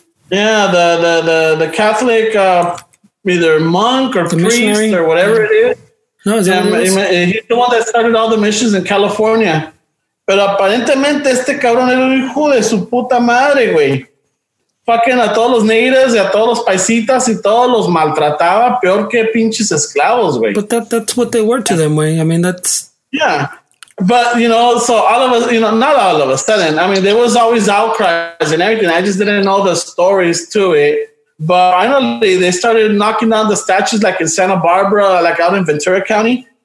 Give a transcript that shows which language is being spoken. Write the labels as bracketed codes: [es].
[en] Yeah, the Catholic either monk or the priest missionary. Or whatever it is. No, is he's the one that started all the missions in California. [es] Pero aparentemente este cabrón era un hijo de su puta madre, güey. [en] Fucking [es] a todos los [en] natives [es] y a todos los paisitas y todos los maltrataba peor que pinches esclavos, güey. [en] But that's what they were to them, güey. I mean, that's... Yeah. But, you know, so all of us, you know, not all of us, telling. I mean, there was always outcries and everything. I just didn't know the stories to it. But finally, they started knocking down the statues like in Santa Barbara, like out in Ventura County.